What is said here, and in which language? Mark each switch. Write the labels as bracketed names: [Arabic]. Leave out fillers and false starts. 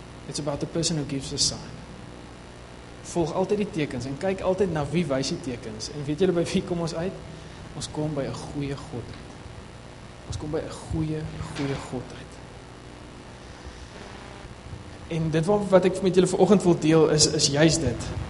[English] It's about the person who gives the sign. [Afrikaans] Volg altyd die tekens en kyk altyd na wie wys die tekens. En weet julle by wie kom ons uit? Ons kom by 'n goeie God. Ons kom by 'n goeie God uit. En dit wat ek met julle vanoggend wil deel is juist dit.